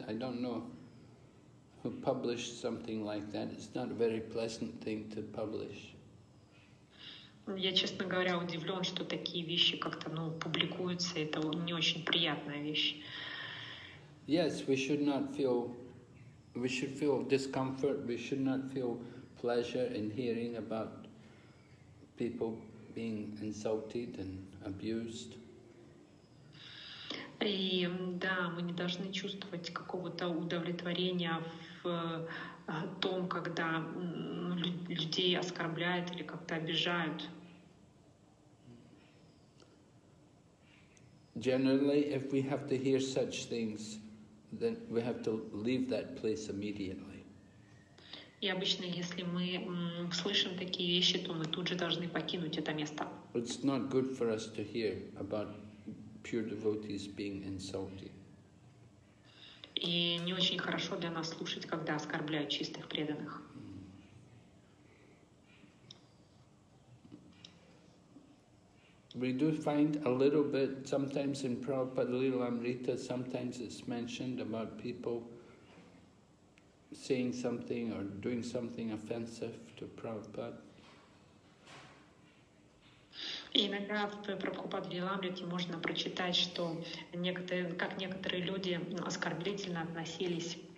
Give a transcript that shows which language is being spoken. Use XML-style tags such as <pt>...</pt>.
<en>I don't know who published something like that. It's not a very pleasant thing to publish.</en> <ru>Я, честно говоря, удивлен, что такие вещи как-то, ну, публикуются. Это не очень приятная вещь.</ru> <en>Yes, we should feel discomfort, we should not feel pleasure in hearing about people being insulted and abused.</en> <ru>И да, мы не должны чувствовать какого-то удовлетворения в том, когда людей оскорбляют или как-то обижают.</ru> <en>Generally, if we have to hear such things, then we have to leave that place immediately.</en> <ru>И обычно, если мы слышим такие вещи, то мы тут же должны покинуть это место.</ru> <en>It's not good for us to hear about pure devotees being insulted.</en> <ru>И не очень хорошо для нас слушать, когда оскорбляют чистых преданных. Mm.</ru> <en>We do find a little bit, sometimes in Prabhupada Lilamrita, sometimes it's mentioned about people saying something or doing something offensive to Prabhupada.</en> <ru>Иногда в Прабхупад Лиламрите можно прочитать, что некоторые, как некоторые люди оскорбительно относились</ru>